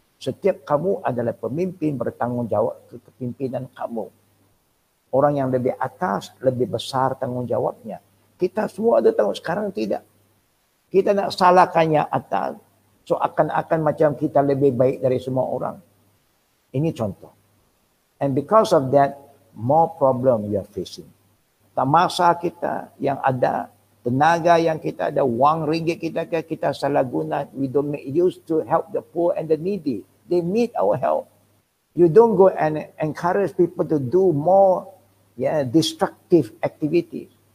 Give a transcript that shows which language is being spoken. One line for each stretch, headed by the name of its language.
Malay: Setiap kamu adalah pemimpin bertanggungjawab ke kepimpinan kamu. Orang yang lebih atas, lebih besar tanggungjawabnya. Kita semua ada tanggungjawab. Sekarang tidak. Kita nak salahkan yang atas. So akan-akan macam kita lebih baik dari semua orang. Ini contoh.
English: And because of that, more problem you are facing.
Malay: Masa kita yang ada, tenaga yang kita ada, wang ringgit kita salah guna.
English: We don't make use to help the poor and the needy. They need our help. You don't go and encourage people to do more destructive activities.